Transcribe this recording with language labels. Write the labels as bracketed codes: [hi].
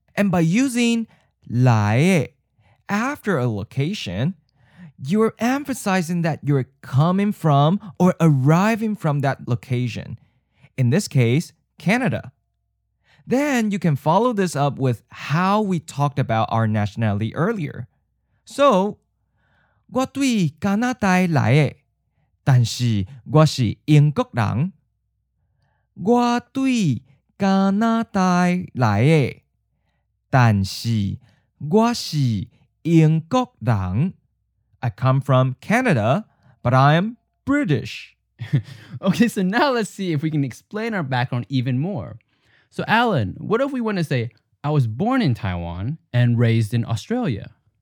[en] And by using 来的 after a location,You're emphasizing that you're coming from or arriving from that location. In this case, Canada. Then you can follow this up with how we talked about our nationality earlier. [zh] So, 我对加拿大来的，但是我是英国人。我对加拿大来的，但是我是英国人。 [en] I come from Canada, but I am British. Okay, so now let's see if we can explain our background even more. So Alan, what if we want to say, I was born in Taiwan and raised in Australia?